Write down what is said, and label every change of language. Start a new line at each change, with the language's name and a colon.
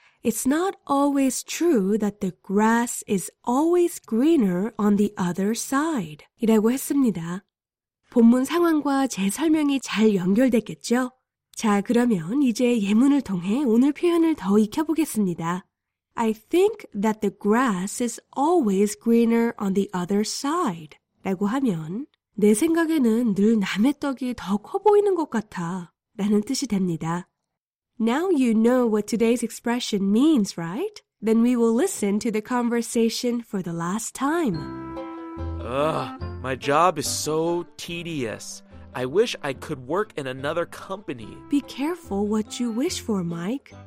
English: It's not always true that the grass is always greener on the other side.
Korean: 이라고 했습니다. 본문 상황과 제 설명이 잘 연결됐겠죠? 자, 그러면 이제 예문을 통해 오늘 표현을 더 익혀보겠습니다.
English: I think that the grass is always greener on the other side.
Korean: 라고 하면 내 생각에는 늘 남의 떡이 더 커 보이는 것 같아 라는 뜻이 됩니다.
English: Now you know what today's expression means, right? Then we will listen to the conversation for the last time. Ugh, my job is so tedious. I wish I could work in another company. Be careful what you wish for, Mike.